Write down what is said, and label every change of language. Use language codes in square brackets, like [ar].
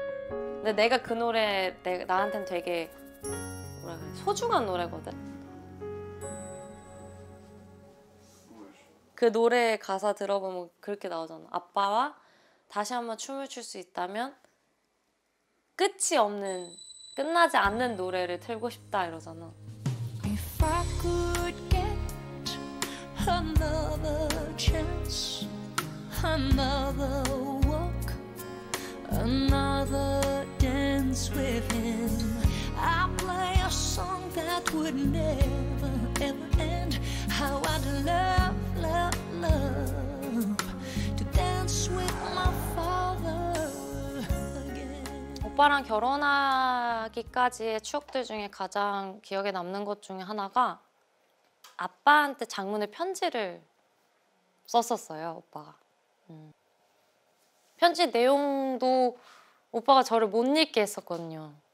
[ko] 근데 내가 그 노래 나한테는 되게 뭐라 그래 소중한 노래거든. 그 노래 가사 들어보면 그렇게 나오잖아. 아빠와 다시 한번 춤을 출 수 있다면 끝이 없는 끝나지 않는 노래를 틀고 싶다 이러잖아. [en] If I could get another chance, another walk, another dance with him, I'd play a song that would never ever end. How I'd love, love, love to dance with my father again. [ko] 오빠랑 결혼하기까지의 추억들 중에 가장 기억에 남는 것 중에 하나가 아빠한테 장문의 편지를 썼었어요, 오빠가. 편지 내용도 오빠가 저를 못 잊게 했었거든요.